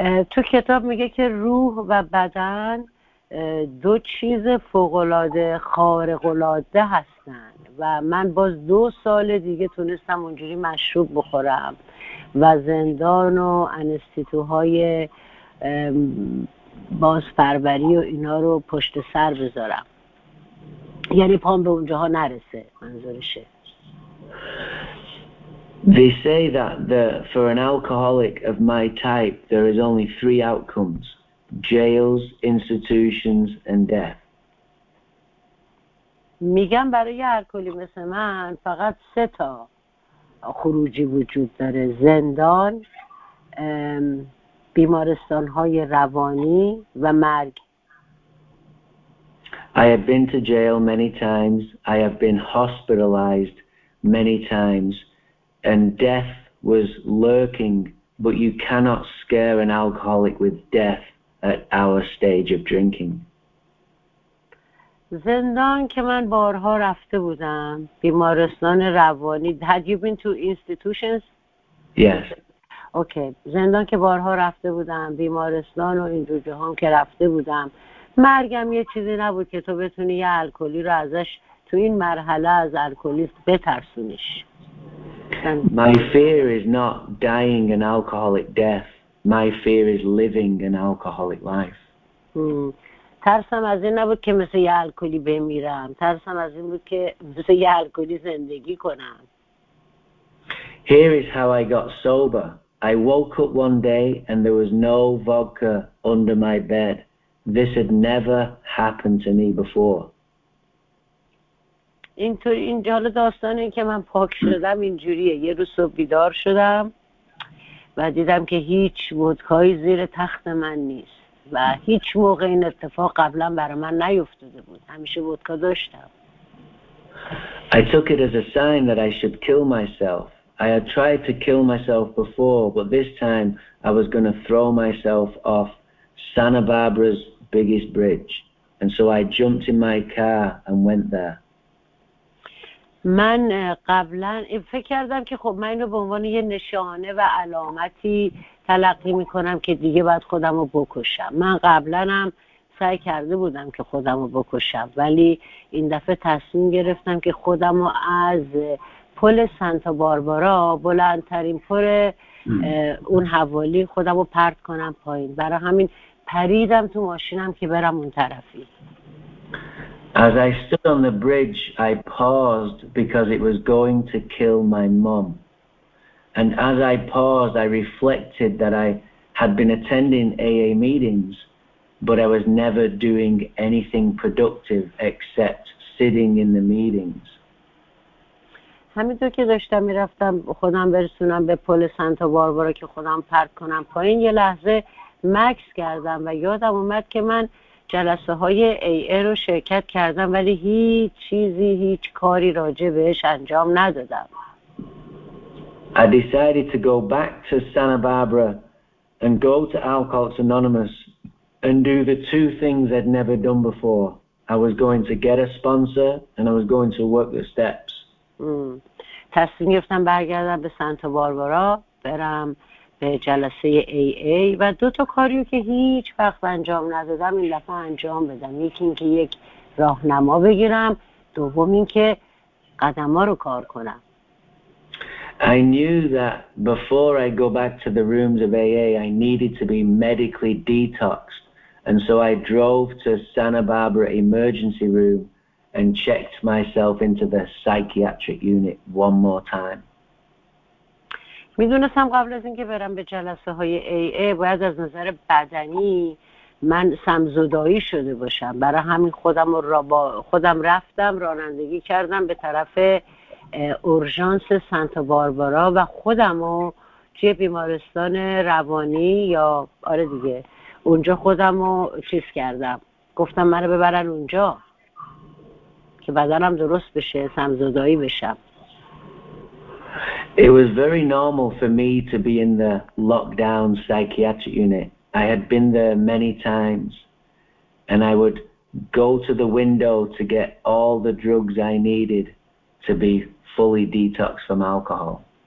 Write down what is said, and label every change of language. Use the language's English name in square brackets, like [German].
[Persian] تو کتاب میگه که روح و بدن دو چیز فوق‌العاده خارق‌العاده هستن و من باز 2 سال دیگه تونستم اونجوری مشروب بخورم و زندان و انستیتوهای بازپروری و اینا رو پشت سر بذارم، یعنی پام به اونجاها نرسه منظورشه. [English] They say that for an alcoholic of my type, there is only 3 outcomes: jails, institutions, and death. [Persian] میگم برای الکلی مثل من فقط 3 تا خروجی وجود داره: زندان، بیمارستان‌های روانی و مرگ. [English] I have been to jail many times. I have been hospitalized many times. And death was lurking, but you cannot scare an alcoholic with death at our stage of drinking. [Persian] زندان که من بارها رفته بودم، بیمارستان روانی. [English] Had you been to institutions? Yes. Okay. [Persian] زندان که بارها رفته بودم، بیمارستان و این جوجه هم که رفته بودم، مرگم یه چیزی نبود که تو بتونی یه الکلی رو ازش تو این مرحله از الکلی بترسونیش. [English] My fear is not dying an alcoholic death. My fear is living an alcoholic life. [Persian] ترسم از این نبود که مثل یه الکلی بمیرم. ترسم از این بود که مثل یه الکلی زندگی کنم. [English] Here is how I got sober. I woke up one day and there was no vodka under my bed. This had never happened to me before. [Persian] اینطور اینجا حالا داستان این که من پاک شدم اینجوریه: یه روز صبح بیدار شدم و دیدم که هیچ ودکایی زیر تخت من نیست و هیچ موقع این اتفاق قبلا برای من نیفتاده بود، همیشه ودکا داشتم. [English] I took it as a sign that I should kill myself. I had tried to kill myself before, but this time I was going to throw myself off Santa Barbara's biggest bridge. And so I jumped in my car and went there. [Persian] من قبلا فکر کردم که خب من اینو به عنوان یه نشانه و علامتی تلقی میکنم که دیگه باید خودم رو بکشم. من قبلا هم سعی کرده بودم که خودم رو بکشم، ولی این دفعه تصمیم گرفتم که خودم رو از پل سانتا باربارا، بلندترین پل اون حوالی، خودم رو پرت کنم پایین. برای همین پریدم تو ماشینم که برم اون طرفی. [English] As I stood on the bridge, I paused because it was going to kill my mom. And as I paused, I reflected that I had been attending AA meetings, but I was never doing anything productive except sitting in the meetings. [Persian] همینطور که داشتم میرفتم خودم برسونم به پل سانتا باربارا که خودم پرت کنم پایین، یه لحظه مکس کردم و یادم اومد که من جلسه های AA رو شرکت کردم ولی هیچ چیزی، هیچ کاری راجع بهش انجام ندادم. [English] I decided to go back to Santa Barbara and go to Alcoholics Anonymous and do the 2 things I'd never done before. I was going to get a sponsor and I was going to work the steps. [Persian] تصمیم گرفتم برگردم به سانتا باربارا، برم به جلسه AA و 2 تا کاریو که هیچ وقت انجام ندادم این دفعه انجام بدم. یکی این که یک راهنما بگیرم، دوم این که قدم‌ها رو کار کنم. [English] I knew that before I go back to the rooms of AA I needed to be medically detoxed, and so I drove to Santa Barbara emergency room and checked myself into the psychiatric unit one more time. [Persian] میدونستم قبل از اینکه برم به جلسه های AA باید از نظر بدنی من سمزدائی شده باشم، برای همین خودم رفتم رانندگی کردم به طرف اورژانس سانتا باربارا و خودمو توی بیمارستان روانی یا آره دیگه اونجا خودمو چیز کردم، گفتم منو ببرن اونجا که بدنم درست بشه، سمزدایی بشم. [English] It was very normal for me to be in the lockdown psychiatric unit. I had been there many times and I would go to the window to get all the drugs I needed to be fully detoxed from alcohol.